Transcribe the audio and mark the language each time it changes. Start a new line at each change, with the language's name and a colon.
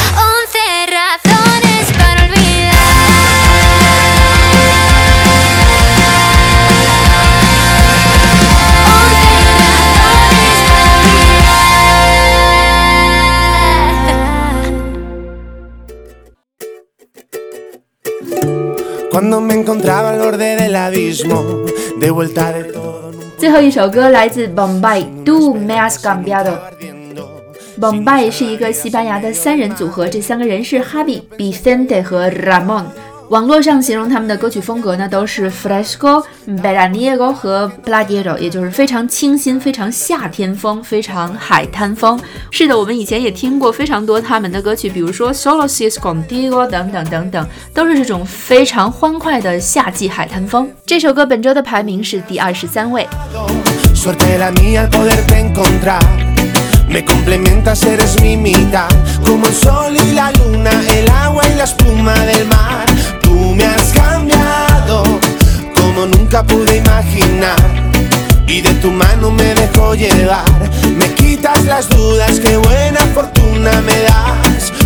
Spanish: 11 razones para olvidar. 11 razones para olvidar. Cuando me encontraba al borde del abismo, de vuelta de todo.
Chinese: 最后一首歌来自 Bombay Do Me Has Cambiado。 Bombay 是一个西班牙的三人组合，这三个人是 Javi, Vicente 和 Ramon。网络上形容他们的歌曲风格呢，都是 Fresco, Veraniego 和 Playero， 也就是非常清新，非常夏天风，非常海滩风。是的，我们以前也听过非常多他们的歌曲，比如说 Solo Si Es Contigo 等等等等，都是这种非常欢快的夏季海滩风。这首歌本周的排名是第23位。
Spanish: Suerte la mía al poderte encontrar. Me complementas, eres mi mitad. Como el sol y la luna, el agua y la espuma del mar. Tú me has cambiado como nunca pude imaginar. Y de tu mano me dejo llevar. Me quitas las dudas, qué buena fortuna me das.